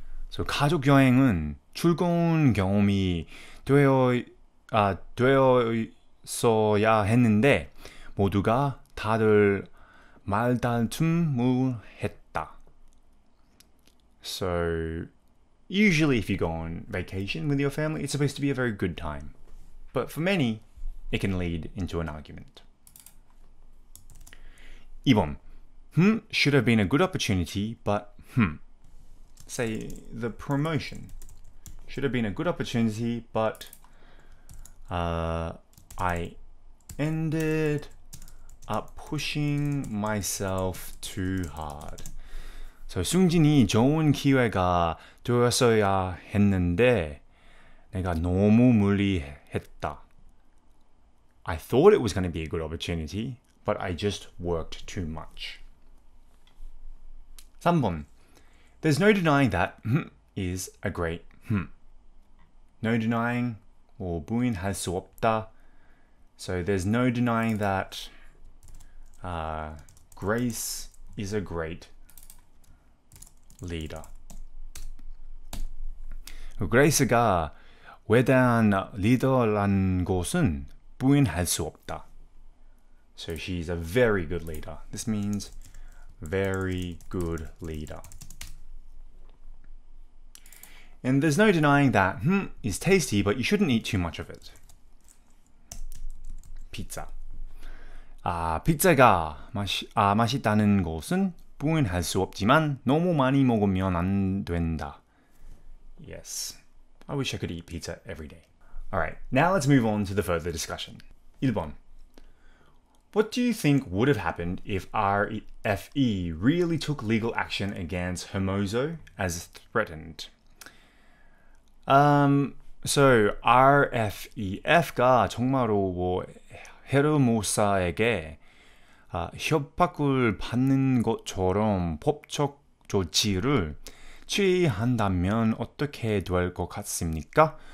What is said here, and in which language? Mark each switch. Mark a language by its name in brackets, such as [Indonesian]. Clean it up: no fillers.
[Korean] So 가족 여행은 즐거운 경험이 되었어야 했는데 모두가 다들 말다툼을 했다. [English] So usually if you go on vacation with your family, it's supposed to be a very good time. But for many, it can lead into an argument. [Korean] 2번. [English] Should have been a good opportunity, but Say the promotion. Should have been a good opportunity, but I ended up pushing myself too hard. [Korean] So 승진이 좋은 기회가 되었어야 했는데 내가 너무 무리했다. [English] I thought it was going to be a good opportunity, but I just worked too much. [Korean] 3번. [English] There's no denying that is a great No denying or [Korean] 부인할 수 없다. [English] So there's no denying that Grace is a great leader. [Korean] Grace가 위대한 리더란 것은 부인할 수 없다. [English] So she's a very good leader. This means very good leader. And there's no denying that is tasty, but you shouldn't eat too much of it. Pizza. [Korean] 피자가 맛있다는 것은 부인할 수 없지만 너무 많이 먹으면 안 된다. [English] Yes. I wish I could eat pizza every day. Alright, now let's move on to the further discussion. [Korean] 1번. [English] What do you think would have happened if RFE really took legal action against Hermoso as threatened? [Korean] So RFEF가 정말로 뭐 헤르모사에게 협박을 받는 것처럼 법적 조치를 취한다면 어떻게 될 것 같습니까?